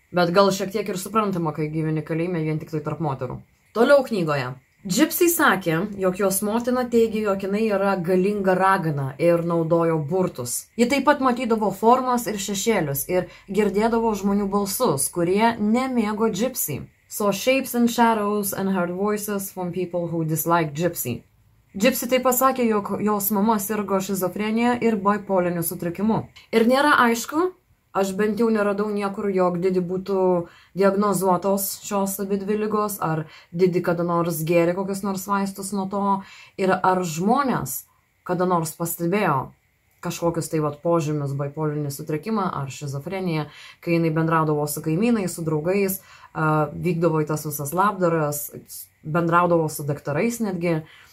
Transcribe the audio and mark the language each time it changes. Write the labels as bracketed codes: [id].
[lt] Bet gal šiek tiek ir suprantama, kai gyveni kalėjime vien tik tai tarp moterų. Toliau knygoje. Gypsy sakė, jog jos motina teigė, jog jinai yra galinga ragana ir naudojo burtus. Ji taip pat matydavo formas ir šešėlius ir girdėdavo žmonių balsus, kurie nemėgo Gypsy. [en] So shapes and shadows and heard voices from people who dislike Gypsy. [lt] Gypsy taip pasakė, jog jos mama sirgo šizofrenija ir bipoliniu sutrikimu. Ir nėra aišku, aš bent jau neradau niekur, jog Didi būtų diagnozuotos šios abidvi ligos, ar Didi kada nors gėrė kokius nors vaistus nuo to, ir ar žmonės kada nors pastebėjo kažkokius tai vat požymius bipolinį sutrikimą ar šizofreniją, kai jinai bendraudavo su kaimynais, su draugais, vykdavo į tas visas labdaras, bendraudavo su daktarais netgi.